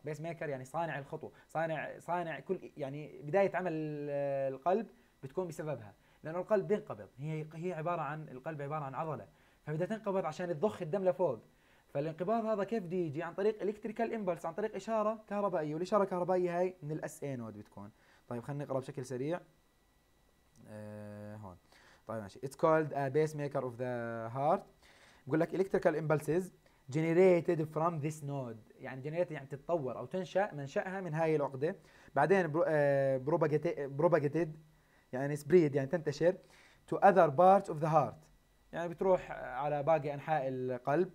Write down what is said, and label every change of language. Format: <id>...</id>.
<ar>بيس ميكر يعني صانع الخطوة، صانع كل، يعني بداية عمل القلب بتكون بسببها، لأنه القلب بينقبض، هي عبارة عن القلب عبارة عن عضلة، فبدها تنقبض عشان تضخ الدم لفوق. فالانقباض هذا كيف دي يجي؟ عن طريق إلكتريكال إمبلس، عن طريق إشارة كهربائية، والإشارة الكهربائية هاي من الأس إيه نود بتكون. طيب خلني أقرأ بشكل سريع هون. طيب ماشي،</ar> <en>it's called a base maker of the heart.</en> <ar>بقول لك</ar> <en>electrical impulses generated from this node،</en> <ar>يعني جنريت يعني تتطور او تنشا منشاها من هاي العقده، بعدين propagated يعني spread يعني تنتشر</ar> <en>to other parts of the heart،</en> <ar>يعني بتروح على باقي انحاء القلب.</ar>